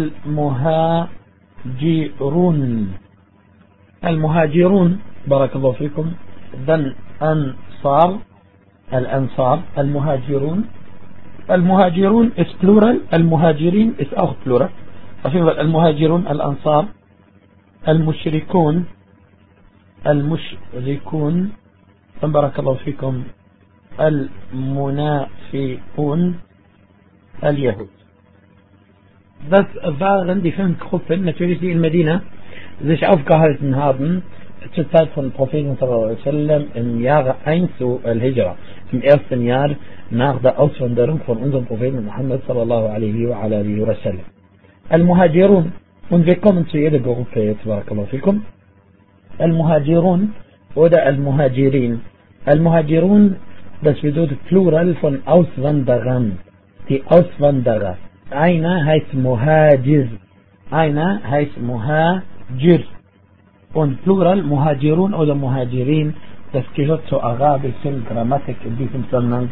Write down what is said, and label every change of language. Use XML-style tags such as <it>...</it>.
<de>Al-Muhajirun. Al-Muhajirun,</de> <ar>barakallahu fikum,</ar> <de>dann Ansar, Al-Ansar, Al-Muhajirun. Al-Muhajirun ist plural, Al-Muhajirin ist auch plural. Auf jeden Fall Al-Muhajirun, Al-Ansar, Al-Mushrikun.</de> <ar>المشركون، بارك الله فيكم، المنافقون، اليهود.</ar> <de>Das waren die fünf Gruppen, natürlich die in Medina sich aufgehalten haben zur Zeit von Propheten sallallahu alaihi wasallam im Jahre 1 al-Hijra, im ersten Jahr nach der Auswanderung von unserem Propheten Muhammad sallallahu alaihi wa alihi wa sallam.</de> <ar>المهاجرون،</ar> <de>und wir kommen zu jeder Gruppe jetzt,</de> <ar>بارك الله فيكم. المهاجرون ودا المهاجرين.</ar> <de>المهاجرون das bedeutet plural von auswanderern. Die Auswanderer. Einer heißt Muhajir. Einer heißt Muhajir. Und plural مهاجرون oder مهاجرين das gehört zur arabischen Grammatik in diesem Zusammenhang.</de>